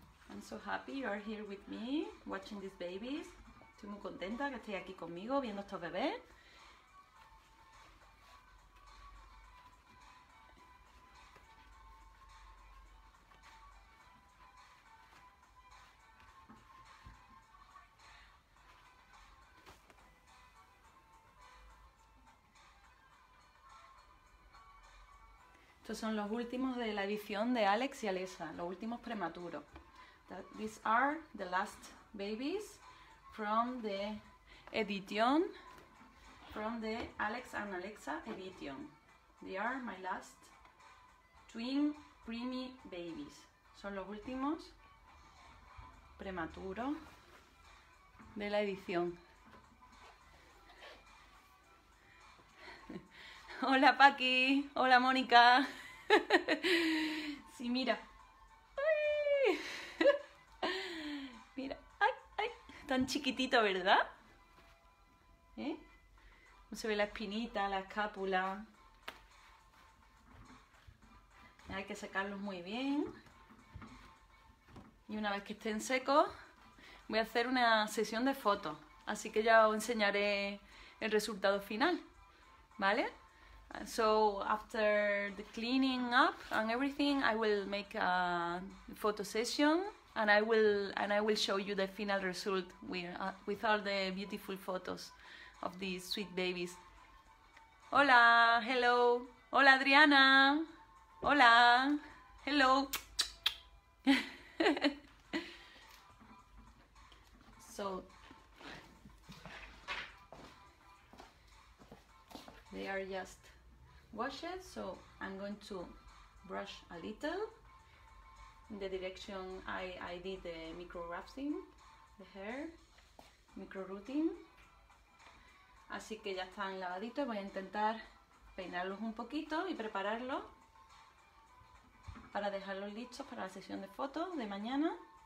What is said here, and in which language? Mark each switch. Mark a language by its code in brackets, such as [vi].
[en] I'm so happy you are here with me, watching these babies. [es] Estoy muy contenta que estéis aquí conmigo, viendo estos bebés. Estos son los últimos de la edición de Alex y Alessa, los últimos prematuros. [en] These are the last babies from the edition, from the Alex and Alexa edition. They are my last twin preemie babies. [es] Son los últimos prematuros de la edición. Hola Paqui, hola Mónica. Sí, mira. ¡Ay! Mira, ay, ay, tan chiquitito, ¿verdad? ¿Eh? ¿Cómo se ve la espinita, la escápula? Hay que secarlos muy bien. Y una vez que estén secos, voy a hacer una sesión de fotos. Así que ya os enseñaré el resultado final, ¿vale? [en] So after the cleaning up and everything, I will make a photo session and I will show you the final result with all the beautiful photos of these sweet babies. [es] Hola, hello. Hola Adriana. Hola. Hello. [en] So they are just wash it, so I'm going to brush a little in the direction I did the micro wrapping, the hair, micro rooting. [es] Así que ya están lavaditos, voy a intentar peinarlos un poquito y prepararlos para dejarlos listos para la sesión de fotos de mañana.